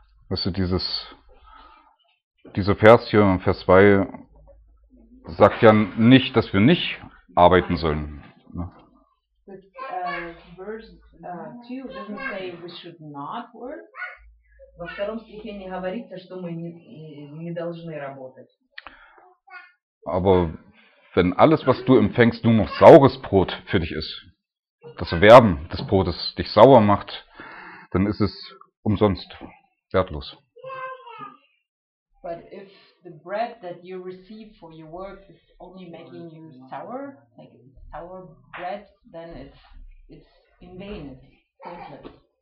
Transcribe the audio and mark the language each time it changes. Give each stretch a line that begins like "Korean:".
German: Weißt du, dieser Vers hier, Vers 2, sagt ja nicht, dass wir nicht arbeiten sollen. Ne?
English: But, verse 2 doesn't say we should not work.
Russian: Во втором стихе не говорится, что мы не должны работать.
German: Aber wenn alles, was du empfängst, nur noch saures Brot für dich ist, das Erwerben des Brotes dich sauer macht, dann ist es umsonst, wertlos.
English: But if the bread that you receive for your work is only making you sour, like sour bread, then it's in vain, it's pointless.